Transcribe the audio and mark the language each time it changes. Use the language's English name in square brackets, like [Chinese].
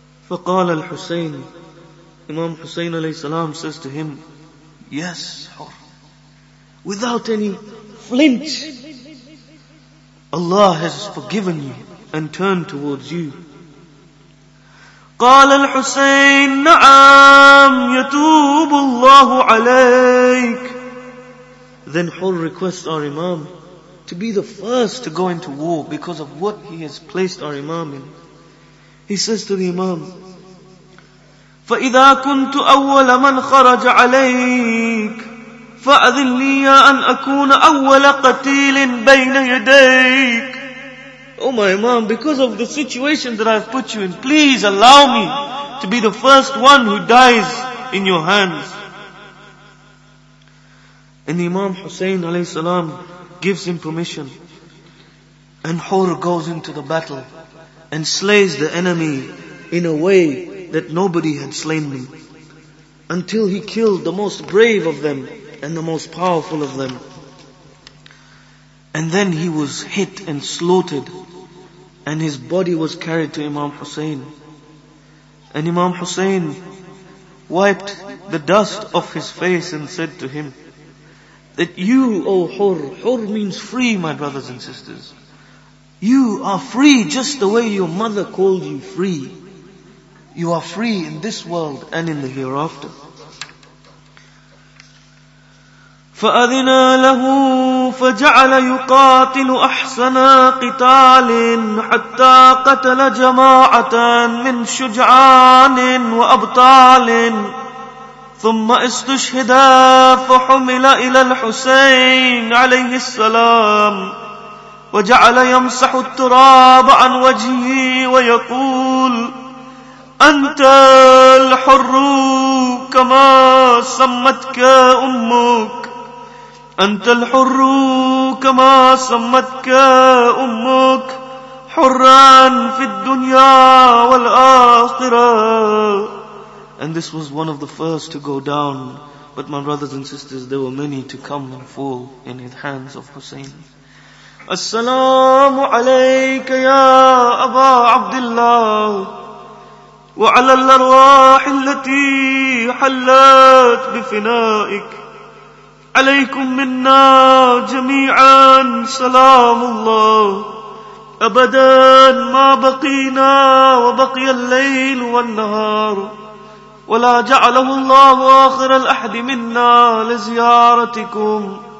[Arabic] فقال الحسين، [English] Imam Hussein عليه السلام says to him, "Yes, Hur, without any flinch, Allah has forgiven you and turn towards you." [Arabic] قال الحسين: نعم يتوب الله عليك. [English] Then Hur requests our Imam to be the first to go into war because of what he has placed our Imam in. He says to the Imam: [Arabic] فإذا كنت أول من خرج عليك فأذن لي أن أكون أول قتيل بين يديك. [English] Oh my Imam, because of the situation that I have put you in, please allow me to be the first one who dies in your hands. And the Imam Hussein alayhi salam gives him permission. And Hur goes into the battle and slays the enemy in a way that nobody had slain him, until he killed the most brave of them and the most powerful of them. And then he was hit and slaughtered, and his body was carried to Imam Hussein. And Imam Hussein wiped the dust off his face and said to him, that you, O Hur, Hur means free, my brothers and sisters. You are free just the way your mother called you free. You are free in this world and in the hereafter. [Arabic] فَأَذِنَا لَهُ فَجَعَلَ يُقَاتِلُ أَحْسَنَا قِتَالٍ حَتَّى قَتَلَ جَمَاعَةً مِنْ شُجْعَانٍ وَأَبْطَالٍ ثُمَّ اسْتُشْهِدَا فَحُمِلَ إِلَى الْحُسَيْنِ عَلَيْهِ السَّلَامِ وجعل يمسح التراب عن وجهه ويقول أنت الحر كما سمتك أمك أنت الحر كما سمتك أمك حرا في الدنيا والآخرة. [English] And this was one of the first to go down, but my brothers and sisters, there were many to come and fall in the hands of Hussein. [Arabic] السلام عليك يا أبا عبد الله وعلى الأرواح التي حلت بفنائك عليكم منا جميعا سلام الله أبدا ما بقينا وبقي الليل والنهار ولا جعله الله آخر الأحد منا لزيارتكم